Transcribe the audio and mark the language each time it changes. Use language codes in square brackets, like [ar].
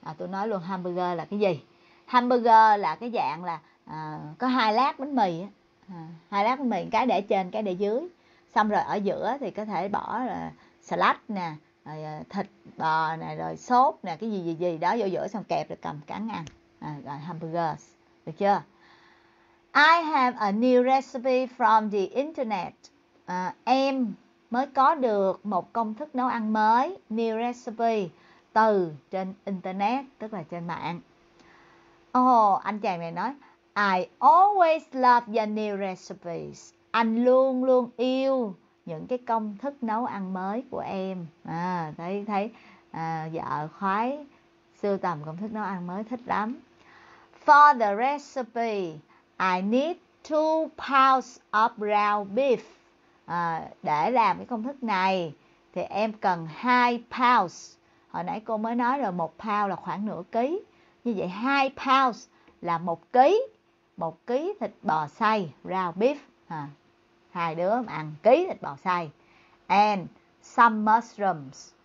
[vi] Tôi nói luôn hamburger là cái gì? Hamburger là cái dạng là có hai lát bánh mì. Hai lát bánh mì, cái để trên, cái để dưới. Xong rồi ở giữa thì có thể bỏ salad nè, rồi thịt bò nè, rồi sốt nè, cái gì đó vô giữa xong kẹp rồi cầm cắn ăn. Rồi hamburgers, được chưa? [en] I have a new recipe from the internet. [vi] Em mới có được một công thức nấu ăn mới, new recipe. Từ trên internet, tức là trên mạng. Anh chàng này nói [en] I always love the new recipes. [vi] Anh luôn luôn yêu những cái công thức nấu ăn mới của em. Thấy vợ khoái sưu tầm công thức nấu ăn mới, thích lắm. [en] For the recipe I need 2 pounds of ground beef. [vi] Để làm cái công thức này thì em cần 2 pounds. Hồi nãy cô mới nói rồi, 1 pound là khoảng nửa ký. Như vậy 2 pounds là 1 ký. 1 ký thịt bò xay, ground beef. Hai đứa ăn ký thịt bò xay. [en] And some mushrooms.